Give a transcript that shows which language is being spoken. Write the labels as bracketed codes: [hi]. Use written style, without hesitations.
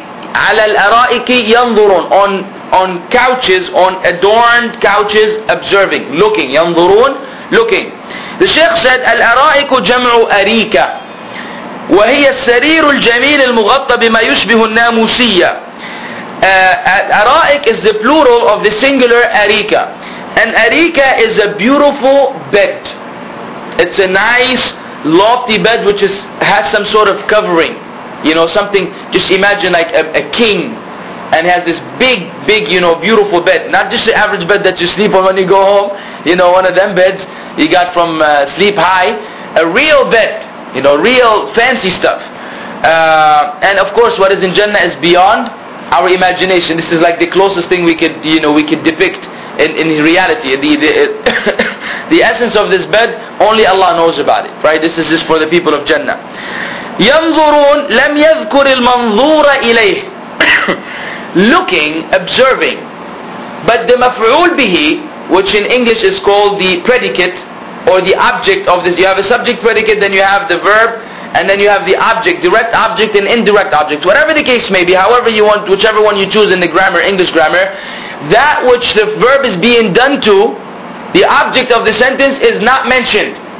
[ar] عَلَى الْأَرَائِكِ يَنْظُرُونَ, [en] on couches, on adorned couches, observing, looking. ينظرون, looking. The Shaykh said, [ar] الْأَرَائِكُ جَمْعُ أَرِيكَ وَهِيَ السَّرِيرُ الْجَمِيلِ الْمُغَطَّى بِمَا يُشْبِهُ النَّامُوسِيَّ. [en] Araik is the plural of the singular arika. An arika is a beautiful bed. It's a nice, lofty bed which has some sort of covering. You know, something, just imagine like a king, and has this big, big, you know, beautiful bed. Not just the average bed that you sleep on when you go home. You know, one of them beds you got from Sleep High. A real bed, you know, real fancy stuff. And of course, what is in Jannah is beyond our imagination. This is like the closest thing we could, you know, we could depict in reality. The essence of this bed, only Allah knows about it, right? This is just for the people of Jannah. [ar] ينظرون لم يذكر المنظور إليه. [en] Looking, observing. But the مفعول به, which in English is called the predicate, or the object of this. You have a subject predicate, then you have the verb, and then you have the object, direct object and indirect object. Whatever the case may be, however you want, whichever one you choose in the grammar, English grammar, that which the verb is being done to, the object of the sentence is not mentioned.